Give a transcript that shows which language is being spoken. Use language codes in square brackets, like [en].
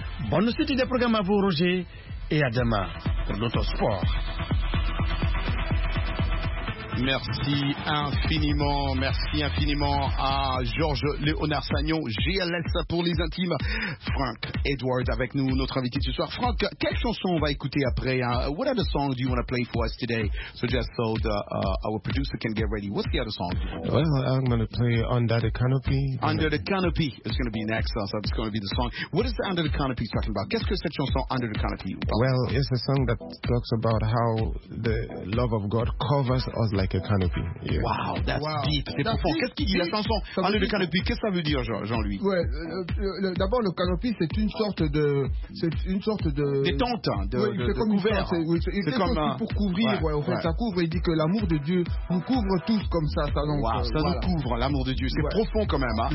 [fr] Bonne suite des programmes à vous, Roger, et à demain pour d'autres sports. Merci infiniment. Merci infiniment à Georges Léonard Sagnon, GLS pour les intimes. Frank Edwards avec nous, notre invité ce soir. Frank, quelle chanson on va écouter après, hein? [en] What other song do you want to play for us today? So just so the, our producer can get ready. What's the other song? Well, I'm going to play Under the Canopy. Under the Canopy is going to be next. So it's going to be the song. What is the Under the Canopy talking about? [fr] Qu'est-ce que cette chanson Under the Canopy? [en] Well, it's a song that talks about how the love of God covers us like a canopy. Yeah. Wow, that's deep. [fr] C'est profond. Qu'est-ce qu'il dit, la chanson Under the Canopy? Qu'est-ce que ça veut dire, Jean-Louis? Ouais, d'abord, le canopy, c'est une sorte de... C'est une sorte de... Des tentes. Hein, de, oui, c'est comme couvert. Ça, c'est comme un... pour couvrir. Ouais, ouais, en fait, ouais. Ça couvre. Il dit que l'amour de Dieu nous couvre tous comme ça. Ça, donc, wow, ça voilà. Nous couvre, l'amour de Dieu. C'est ouais. Profond quand même. Hein.